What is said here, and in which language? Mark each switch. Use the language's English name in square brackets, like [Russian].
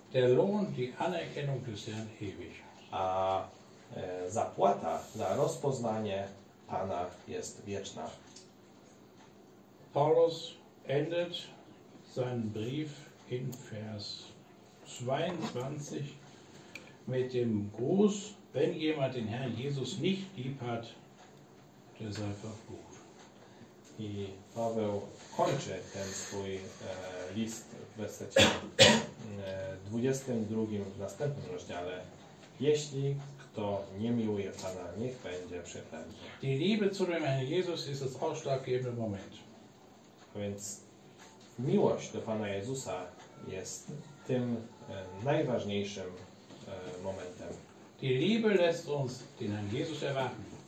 [German] Der Lohn, die Anerkennung des Herrn ewig. [Polish] A zapłata za rozpoznanie Pana jest wieczna. [German] Paulus endet seinen Brief in Vers 22 mit dem Gruß, wenn jemand den Herrn Jesus nicht lieb hat, der sei verflucht. [Polish] I Paweł kończy ten swój list w wersecie 22 w następnym rozdziale. Jeśli kto nie miłuje Pana, niech będzie przeklęty. [German] Die Liebe zu dem Herrn Jesus ist das ausschlaggebende Moment. [Polish] A więc miłość do Pana Jezusa jest tym najważniejszym momentem. [German] Die Liebe lässt uns den Herrn Jesus erwarten.